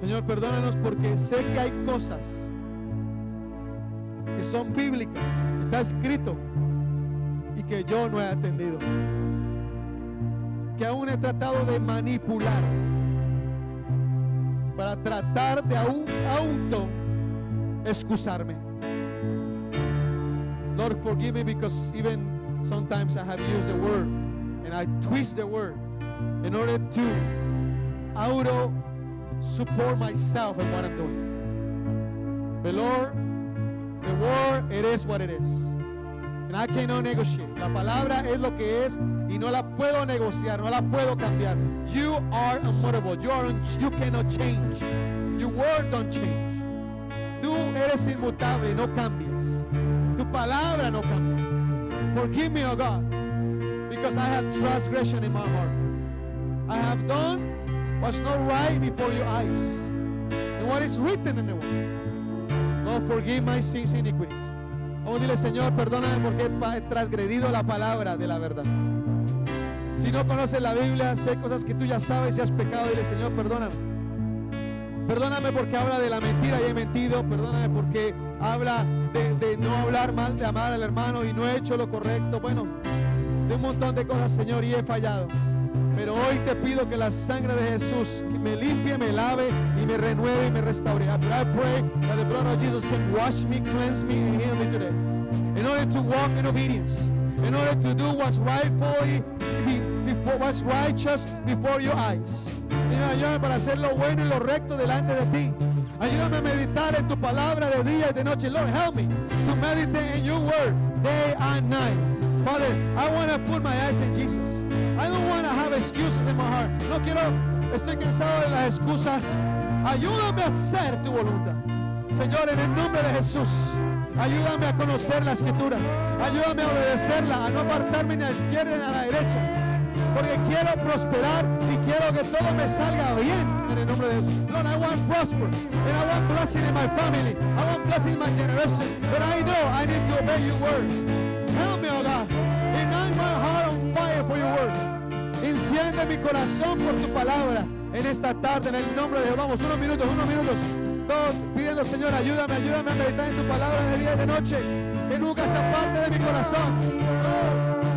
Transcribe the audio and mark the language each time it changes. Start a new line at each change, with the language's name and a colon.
Spanish: Señor, perdónanos porque sé que hay cosas que son bíblicas, está escrito, y que yo no he atendido, que aún he tratado de manipular para tratar de aún auto excusarme.
English: Lord, forgive me, because even sometimes I have used the word and I twist the word in order to auto support myself in what I'm doing. But Lord, the word, it is what it is. I cannot negotiate.
Spanish: La palabra es lo que es y no la puedo negociar, no la puedo cambiar.
English: You are immutable. You cannot change. Your word don't change.
Spanish: Tú eres inmutable, no cambias. Tu palabra no cambia.
English: Forgive me, oh God, because I have transgression in my heart. I have done what's not right before your eyes. And what is written in the word. Lord, forgive my sins and iniquities.
Spanish: Vamos a decirle, Señor, perdóname porque he transgredido la palabra de la verdad. Si no conoces la Biblia, sé cosas que tú ya sabes y has pecado. Dile, Señor, perdóname. Perdóname porque habla de la mentira y he mentido. Perdóname porque habla de no hablar mal, de amar al hermano y no he hecho lo correcto. Bueno, de un montón de cosas, Señor, y he fallado. Pero hoy te pido que la sangre de Jesús me limpie, me lave y me renueve y me restaure.
English: I pray that the blood of Jesus can wash me, cleanse me, and heal me today. In order to walk in obedience. In order to do what's right for you, what's righteous before your eyes.
Spanish: Señor, ayúdame para hacer lo bueno y lo recto delante de ti. Ayúdame a meditar en tu palabra de día y de noche.
English: Lord, help me to meditate in your word day and night. Father, I want to put my eyes in Jesus. I don't want to have excuses in my heart.
Spanish: No quiero, estoy cansado de las excusas. Ayúdame a hacer tu voluntad. Señor, en el nombre de Jesús, ayúdame a conocer la escritura. Ayúdame a obedecerla, a no apartarme ni a la izquierda ni a la derecha. Porque quiero prosperar y quiero que todo me salga bien en el nombre de Jesús.
English: Lord, I want prosper and I want blessing in my family. I want blessing in my generation. But I know I need to obey your word. Help me, oh God. Ignite my heart on fire for your word.
Spanish: Enciende mi corazón por tu palabra en esta tarde en el nombre de Jesús. Vamos, unos minutos, todos pidiendo, Señor, ayúdame, ayúdame a meditar en tu palabra de día y de noche. Que nunca sea parte de mi corazón.